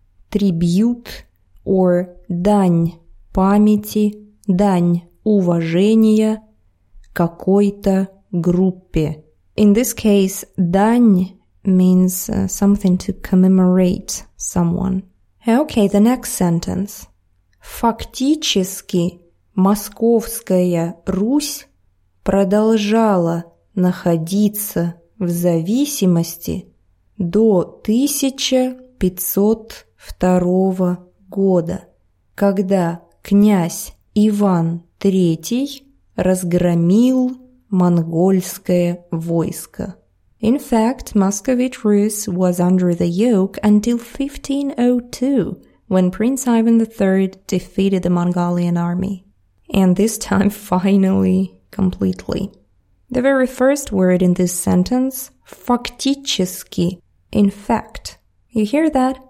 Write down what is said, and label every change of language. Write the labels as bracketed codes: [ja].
[en] Tribute or [ru] дань памяти, дань уважения какой-то группе. [en] In this case, дань means something to commemorate someone. Okay, the next sentence. [ru] Фактически, Московская Русь продолжала находиться в зависимости до 1502 года, когда князь Иван III разгромил монгольское войско. [en] In fact, Muscovite Rus was under the yoke until 1502, when Prince Ivan III defeated the Mongolian army. And this time, finally, completely. The very first word in this sentence, фактически, in fact. You hear that?